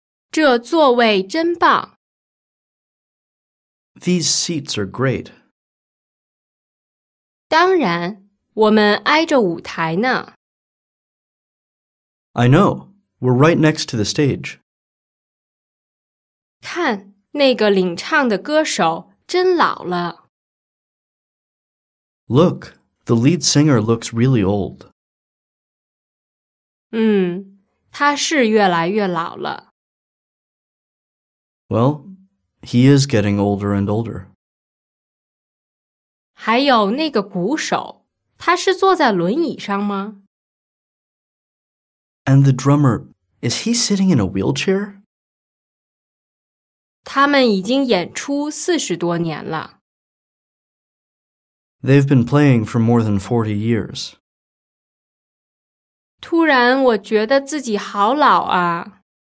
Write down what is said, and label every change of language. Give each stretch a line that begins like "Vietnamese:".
Chinese: 这座位真棒。
English: These seats are great.
Chinese: 当然，我们挨着舞台呢。
English: I know, we're right next to the stage.
Chinese: 看，那个领唱的歌手真老了。
English: Look, the lead singer looks really old.
Chinese: 他是越来越老了。
English: Well, he is getting older and older.
Chinese: 还有那个鼓手，他是坐在轮椅上吗？
English: And the drummer, is he sitting in a wheelchair?
Chinese: 他们已经演出40多年了。
English: They've been playing for more than 40 years.
Chinese: 突然我觉得自己好老啊。